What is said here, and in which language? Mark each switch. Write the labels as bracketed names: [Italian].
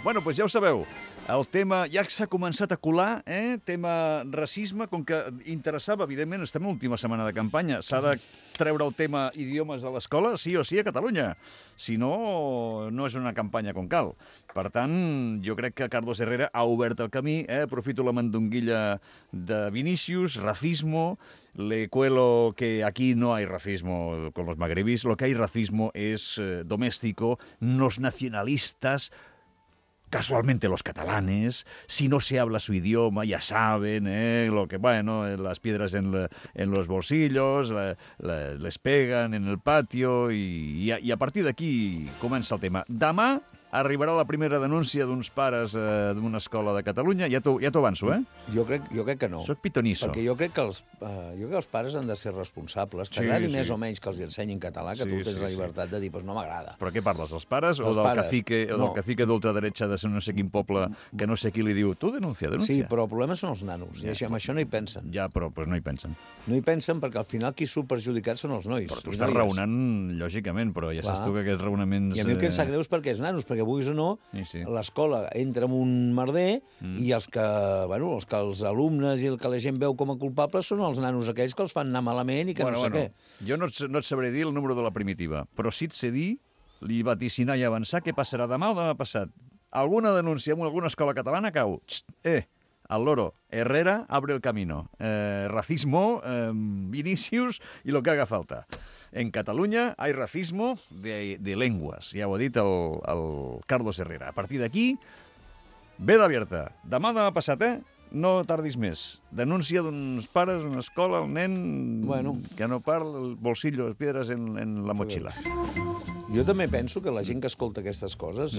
[Catalan] Bueno, pues ja ho sabeu, el tema ja s'ha començat a colar, tema racisme, com que interessava, evidentment, estem en l'última setmana de campanya, s'ha de treure el tema idiomes a l'escola, sí o sí, a Catalunya. Si no, no és una campanya com cal. Per tant, jo crec que Carlos Herrera ha obert el camí, aprofito la mandonguilla [Spanish] de Vinicius, racismo, le cuelo que aquí no hay racismo con los magrebis, lo que hay racismo es doméstico, los nacionalistas, casualmente los catalanes, si no se habla su idioma, ya saben, lo que, bueno, las piedras en los bolsillos, les pegan en el patio, y [Catalan] a partir d'aquí comença el tema. Demà arribarà la primera denúncia d'uns pares d'una escola de Catalunya. Ja t'ho avanço, Jo crec que no. Soc pitoniso. Perquè jo crec que els pares han de ser responsables. T'agradi més o menys que els ensenyin català, que tu tens la llibertat de dir, doncs no m'agrada. Però què parles, dels pares? Del cacique d'ultradreta de ser no sé quin poble que no sé qui li diu, tu denuncia. Sí, però el problema són els nanos. I amb això no hi pensen. Ja, però doncs no hi pensen. No hi pensen perquè al final qui surt perjudicat són els nois. Però tu estàs raonant, lògicament, però ja saps tu que aquests raonaments... I a mi el que em sap greu és perquè els nanos, que vulguis o no, l'escola entra en un merder i els que els alumnes i el que la gent veu com a culpables són els nanos aquells que els fan anar malament i que què. Jo no et sabré dir el número de la primitiva, però si et sé dir, li vaticinar i avançar què passarà demà o demà passat. Alguna denúncia en alguna escola catalana cau. [Spanish] El loro, Herrera, abre el camino. Racismo, Vinicius i lo que haga falta. En Catalunya hay racismo de lenguas. [Catalan] Ja ho ha dit el Carlos Herrera. A partir d'aquí, [Spanish] veda abierta. [Catalan] Demà passat, No tardis més. Denúncia d'uns pares, una escola, el nen... Bueno. Que no parla, el bolsillo, les piedres en la motxilla. Jo també penso que la gent que escolta aquestes coses...